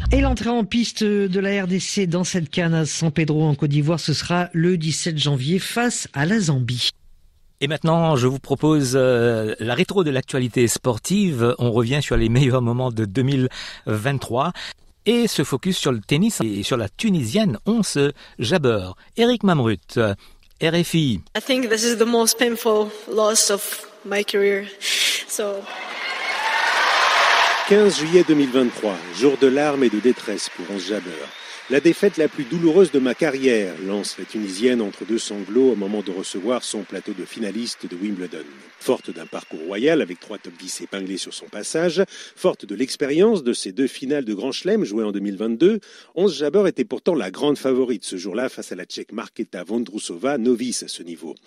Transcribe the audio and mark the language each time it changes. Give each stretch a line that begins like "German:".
French: Et l'entrée en piste de la RDC dans cette CAN à San Pedro en Côte d'Ivoire, ce sera le 17 janvier face à la Zambie. Et maintenant, je vous propose la rétro de l'actualité sportive. On revient sur les meilleurs moments de 2023 et se focus sur le tennis et sur la Tunisienne Once Jabeur. Eric Mamrut, RFI.
English: I think this is the most painful loss of my career. So
French: 15 juillet 2023, jour de larmes et de détresse pour Once Jabeur. La défaite la plus douloureuse de ma carrière, lance la Tunisienne entre deux sanglots au moment de recevoir son plateau de finaliste de Wimbledon. Forte d'un parcours royal avec trois top 10 épinglés sur son passage, forte de l'expérience de ses deux finales de Grand Chelem jouées en 2022, Once Jabeur était pourtant la grande favorite ce jour-là face à la Tchèque Markéta Vondrousova, novice à ce niveau.